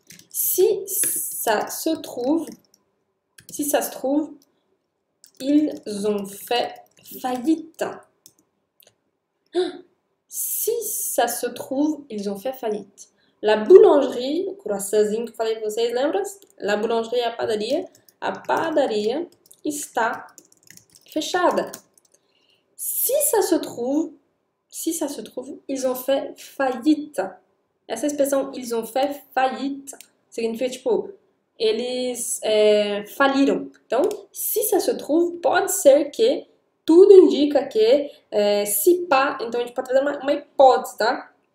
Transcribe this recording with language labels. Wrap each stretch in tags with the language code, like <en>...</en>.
<fr>Si ça se trouve, si ça se trouve, ils ont fait faillite. Si ça se trouve, ils ont fait faillite. La boulangerie,</fr> <pt>o croissantzinho que eu falei pra vocês, lembra?</pt> <fr>La boulangerie,</fr> <pt>a padaria está fechada.</pt> <fr>Si ça se trouve, si ça se trouve, ils ont fait faillite.</fr> <pt>Essa expressão,</pt> <fr>ils ont fait faillite,</fr> <pt>significa tipo, eles faliram. Então,</pt> <fr>si ça se trouve,</fr> <pt>pode ser que, tudo indica que, si pá, então a gente pode fazer uma hipótese, tá?</pt>